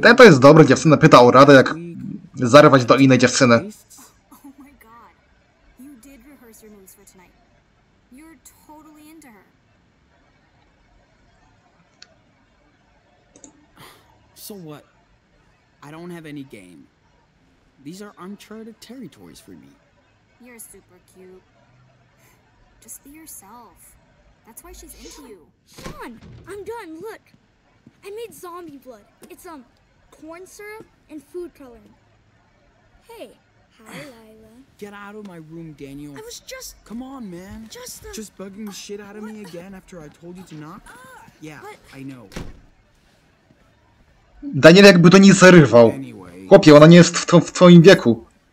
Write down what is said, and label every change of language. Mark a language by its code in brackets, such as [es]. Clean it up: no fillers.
[pl] Ten to jest dobry, dziewczyna pyta o radę, jak zarywać do innej dziewczyny. [en] Oh my god. You did rehearse your moves for tonight. You're totally into her. So what? I don't have any game. These are uncharted territories for me. You're super cute. Just be yourself. That's why she's into you. Sean, I'm done, look. I made zombie blood. It's corn syrup and food coloring. Hey. Hi, Lila. Get out of my room, Daniel. I was just... Come on, man. Just bugging the shit out of me again after I told you to knock? Yeah, I know. [pl] Daniel jakby do niej zarywał. Chłopie, ona nie jest w twoim wieku.